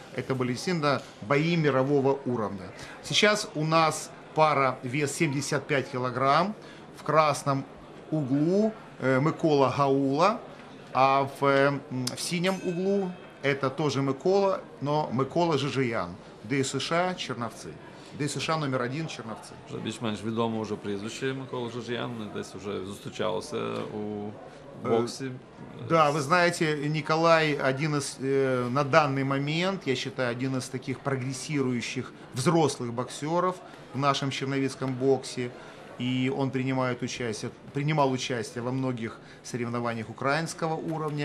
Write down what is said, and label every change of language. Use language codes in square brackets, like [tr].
[ru] Это были действительно бои мирового уровня. Сейчас у нас пара вес 75 килограмм. В красном углу Микола Гаула, а в синем углу это тоже Микола, но Микола Жижиян. ДСШ, Черновцы. ДСШ номер один, Черновцы. [uk] Вже більш-менш відомо вже прізвище Микола Жижиян. Десь вже зустрічалося у боксі. [ru] Да, вы знаете, Николай один из, на данный момент, я считаю, один из таких прогрессирующих взрослых боксеров в нашем черновицком боксе. И он принимал участие во многих соревнованиях украинского уровня.